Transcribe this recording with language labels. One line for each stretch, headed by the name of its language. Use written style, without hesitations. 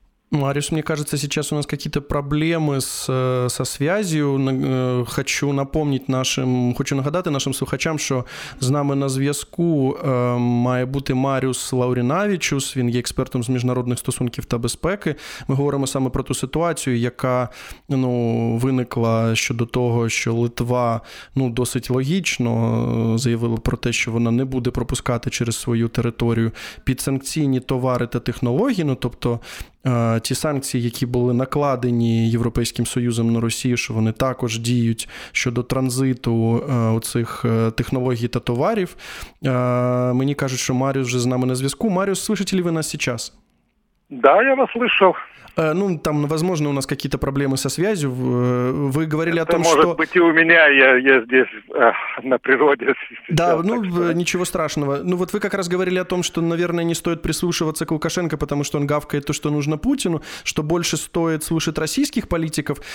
Russian: Мариус, мне кажется, сейчас у нас какие-то проблемы со связью. Хочу напомнить нашим,
Ukrainian: хочу нагадати нашим слухачам, що з нами на зв'язку має бути Маріус Лауринавічус. Він є експертом з міжнародних стосунків та безпеки. Ми говоримо саме про ту ситуацію, яка, ну, виникла щодо того, що Литва, ну, досить логічно заявила про те, що вона не буде пропускати через свою територію підсанкційні товари та технології, ну, тобто ті санкції, які були накладені Європейським Союзом на Росію, що вони також діють щодо транзиту оцих технологій та товарів. Мені кажуть, що Маріус вже з нами на зв'язку.
Russian: Маріус, слышите ли ви нас сейчас? Да, я вас слышал. Ну, там, возможно, у нас какие-то проблемы со связью. Вы говорили это о том, может что... может быть и у меня, я здесь на природе. Да, сейчас, ну, что... ничего страшного. Ну, вот вы как раз говорили о том, что, наверное, не стоит прислушиваться к Лукашенко, потому что он гавкает то, что нужно Путину, что больше стоит слушать российских политиков.